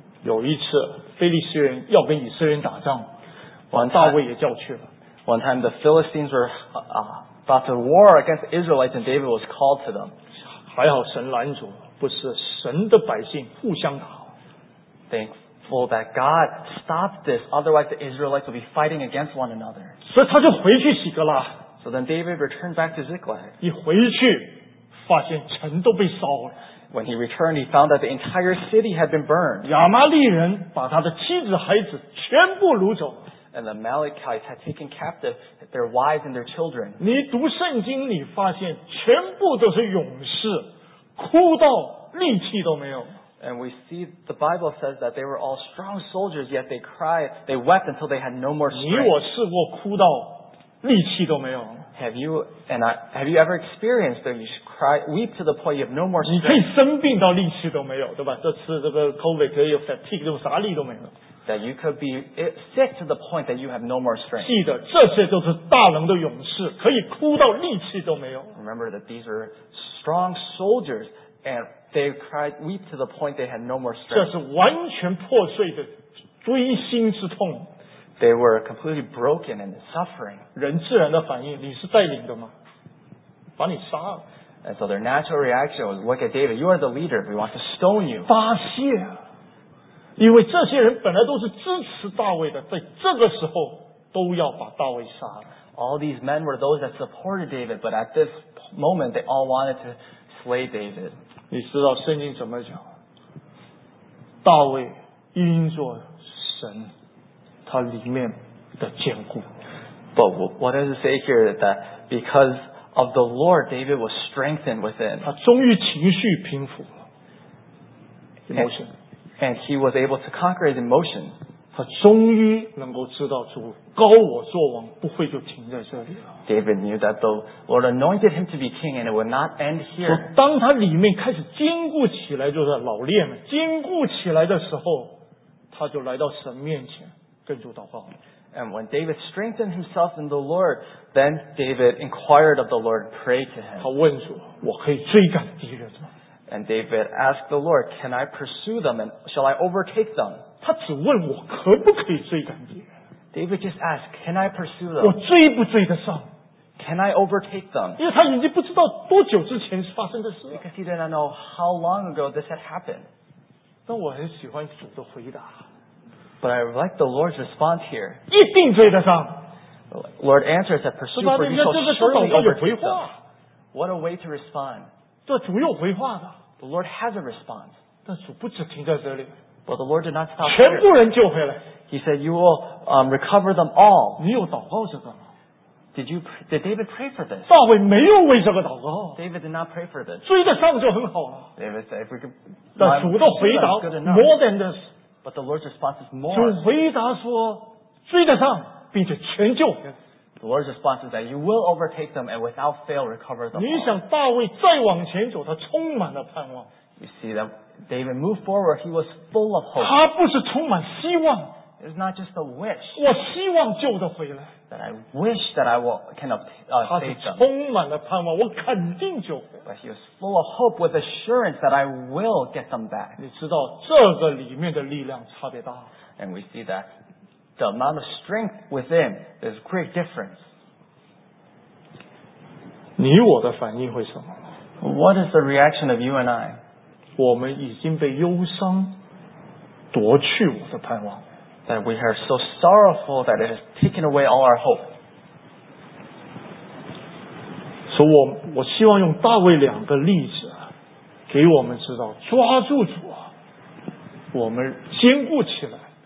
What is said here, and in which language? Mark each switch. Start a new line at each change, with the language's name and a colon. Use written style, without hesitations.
Chinese: 有一次非利士人要跟以色列人打仗，大卫也叫去了。
English: One time the Philistines were about to war against the Israelites and David was called to them.
Chinese: 还好神拦住了。不是神的百姓互相打。
English: Thankful that God stopped this, otherwise the Israelites would be fighting against one another.
Chinese: 所以他就回去洗格拉。
English: So then David returned back to Ziklag.
Chinese: 一回去，发现城都被烧了。
English: When he returned, he found that the entire city had been burned.
Chinese: 亚玛利人把他的妻子孩子全部掳走。
English: And the Amalekites had taken captive their wives and their children.
Chinese: 你读圣经，你发现全部都是勇士，哭到力气都没有。
English: And we see the Bible says that they were all strong soldiers, yet they cried, they wept until they had no more strength.
Chinese: 你我试过哭到力气都没有。
English: Have you ever experienced that you cry, weep to the point you have no more strength?
Chinese: 你可以生病到力气都没有，对吧？这次这个 COVID 可以 fatigue， 就啥力都没有。
English: That you could be sick to the point that you have no more strength.
Chinese: 记得，这些都是大能的勇士，可以哭到力气都没有。
English: Remember that these are strong soldiers, and they cried, weep to the point they had no more strength.
Chinese: 这是完全破碎的锥心之痛。
English: They were completely broken and suffering.
Chinese: 人自然的反应，你是带领的吗？把你杀了。
English: And so their natural reaction was, look at David, you are the leader, we want to stone you.
Chinese: 发泄。因为这些人本来都是支持大卫的，在这个时候都要把大卫杀了。
English: All these men were those that supported David, but at this moment they all wanted to slay David.
Chinese: 你知道圣经怎么讲？大卫因着神他里面的坚固。
English: But what does it say here that because of the Lord, David was strengthened within?
Chinese: 他终于情绪平复了。Emotion.
English: And he was able to conquer his emotion.
Chinese: 他终于能够知道主高我作王，不会就停在这里了。
English: David knew that the Lord anointed him to be king, and it would not end here.
Chinese: 说当他里面开始坚固起来，就是老练嘛，坚固起来的时候，他就来到神面前跟主祷告。
English: And when David strengthened himself in the Lord, then David inquired of the Lord, prayed to him.
Chinese: 他问主，我可以追赶敌人吗？
English: And David asked the Lord, can I pursue them and shall I overtake them?
Chinese: 他只问我可不可以追赶敌人。
English: David just asked, can I pursue them?
Chinese: 我追不追得上。
English: Can I overtake them?
Chinese: 因为他已经不知道多久之前发生的事。
English: Because he did not know how long ago this had happened.
Chinese: 但我很喜欢主的回答。
English: But I like the Lord's response here.
Chinese: 一定追得上。
English: Lord answers that pursue for you shall surely overtake them. What a way to respond.
Chinese: 这主有回话的。
English: The Lord has a response.
Chinese: 但主不只停在这里。
English: But the Lord did not stop.
Chinese: 全部人救回来。
English: He said, "You will recover them all."
Chinese: 你有祷告这个吗？
English: Did David pray for this?
Chinese: 大卫没有为这个祷告。
English: David did not pray for this.
Chinese: 追得上就很好了。
English: David said, "If we could."
Chinese: 但主的回答
English: more than this. But the Lord's response is more.
Chinese: 主回答说追得上，并且全救。
English: The Lord's response is that you will overtake them and without fail recover them.
Chinese: 你想大卫再往前走，他充满了盼望。
English: You see that David moved forward, he was full of hope.
Chinese: 他不是充满希望。
English: It's not just a wish.
Chinese: 我希望救得回来。
English: That I wish that I will can obtain.
Chinese: 他是充满了盼望，我肯定救回来。
English: But he was full of hope with assurance that I will get them back.
Chinese: 你知道这个里面的力量差别大。
English: And we see that. The amount of strength within is a great difference.
Chinese: 你我的反应会什么？
English: What is the reaction of you and I?
Chinese: 我们已经被忧伤夺去我的盼望。
English: That we are so sorrowful that it has taken away all our hope.
Chinese: 所以我希望用大卫两个例子给我们知道，抓住主，我们坚固起来。